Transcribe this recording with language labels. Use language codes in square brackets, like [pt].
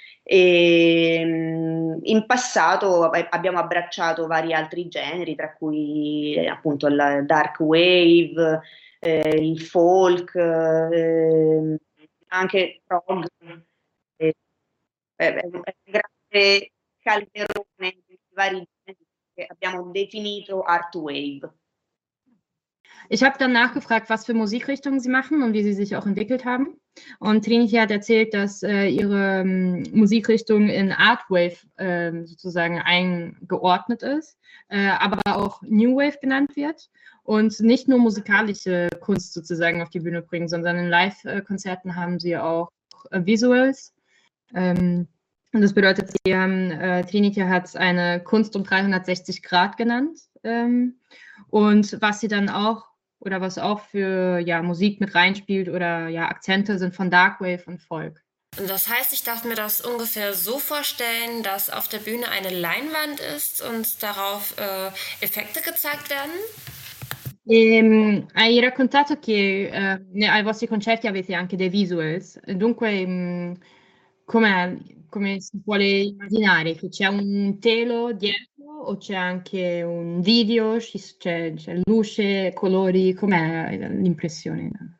[it] E in passato abbiamo abbracciato vari altri generi, tra cui appunto la Dark Wave, il folk, anche il prog, è un grande calderone di vari generi che abbiamo definito art wave. [de] Ich habe dann nachgefragt, was für Musikrichtungen sie machen und wie sie sich auch entwickelt haben. Und Trinity hat erzählt, dass ihre Musikrichtung in Art Wave sozusagen eingeordnet ist, aber auch New Wave genannt wird und nicht nur musikalische Kunst sozusagen auf die Bühne bringen, sondern in Live-Konzerten haben sie auch Visuals. Und das bedeutet, sie haben, Trinity hat es eine Kunst um 360 Grad genannt. Und was sie dann auch oder was auch für ja, Musik mit reinspielt oder ja, Akzente sind von Darkwave und Folk. Und das heißt, ich darf mir das ungefähr so vorstellen, dass auf der Bühne eine Leinwand ist und darauf Effekte gezeigt werden? [it] Hai raccontato che ai vostri concerti avete anche dei visuals. Dunque, come si vuole immaginare? Che c'è un telo dietro? O c'è anche un video, c'è luce, colori, com'è l'impressione?